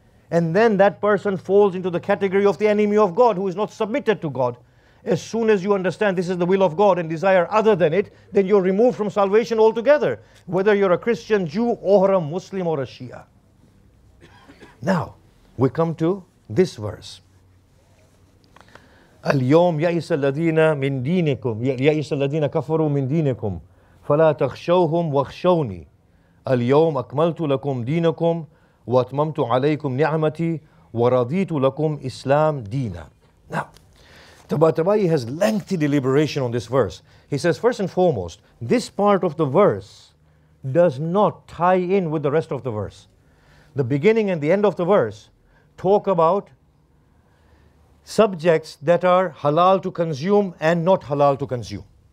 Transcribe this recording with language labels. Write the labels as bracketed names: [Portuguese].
[English] And then that person falls into the category of the enemy of God, who is not submitted to God. As soon as you understand this is the will of God and desire other than it, then you're removed from salvation altogether, whether you're a Christian, Jew, or a Muslim, or a Shia. Now, we come to this verse. [Arabic] اليوم يئس الذين من دينكم يئس الذين كفروا من دينكم فلا تخشوهم واخشوني اليوم أكملت لكم دينكم وأتممت عليكم نعمتي ورضيت لكم إسلام دينا. [English] Now, Tabatabai has lengthy deliberation on this verse. He says, first and foremost, this part of the verse does not tie in with the rest of the verse. The beginning and the end of the verse talk about subjects that are halal to consume and not halal to consume.